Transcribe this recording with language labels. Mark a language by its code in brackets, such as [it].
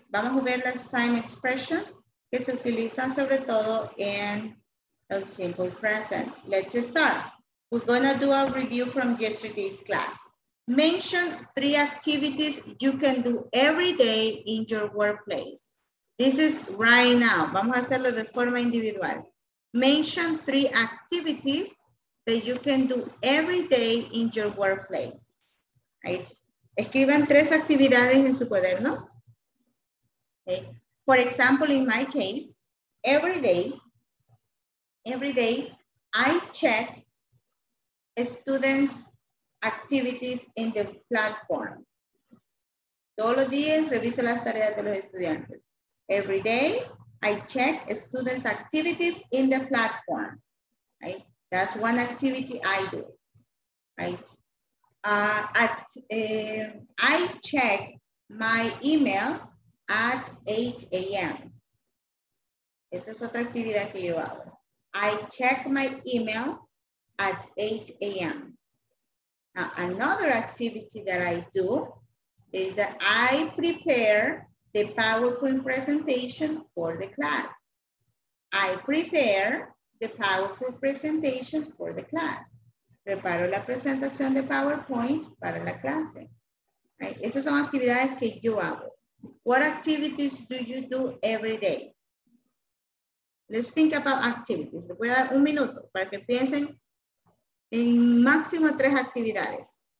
[es] Vamos a ver las time expressions que se utilizan sobre todo en el simple present. [en] Let's start. We're going to do a review from yesterday's class. Mention three activities you can do every day in your workplace. This is right now. [es] Vamos a hacerlo de forma individual. [en] Mention three activities that you can do every day in your workplace. Right? [es] Escriban tres actividades en su cuaderno. Okay. [en] For example, in my case, every day, I check students' activities in the platform. [es] Todos los días reviso las tareas de los estudiantes. [en] Every day, I check students' activities in the platform. Right? That's one activity I do. Right? I check my email at 8 a.m. [es] Esa es otra actividad que yo hago. [en] I check my email at 8 a.m. Now, another activity that I do is that I prepare the PowerPoint presentation for the class. I prepare the PowerPoint presentation for the class. [es] Preparo la presentación de PowerPoint para la clase. [en] Right? [es] Esas son actividades que yo hago. [en] What activities do you do every day? Let's think about activities. [es] Les voy a dar un minuto para que piensen en máximo tres actividades.